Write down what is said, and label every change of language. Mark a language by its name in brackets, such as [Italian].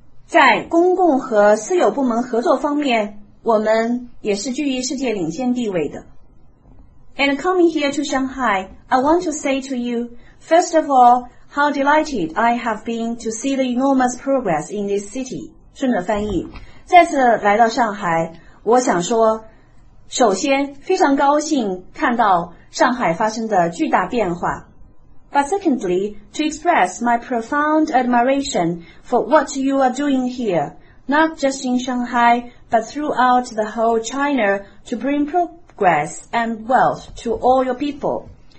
[Chinese] 在公共和私有部门合作方面，我们也是居于世界领先地位的。 [English] And coming here to Shanghai, I want to say to you, first of all, how delighted I have been to see the enormous progress in this city. [Chinese] 顺着翻译，再次来到上海，我想说，首先非常高兴看到上海发生的巨大变化。 [English] But secondly, to express my profound admiration for what you are doing here, not just in Shanghai, but throughout the whole China to bring progress and wealth to all your people.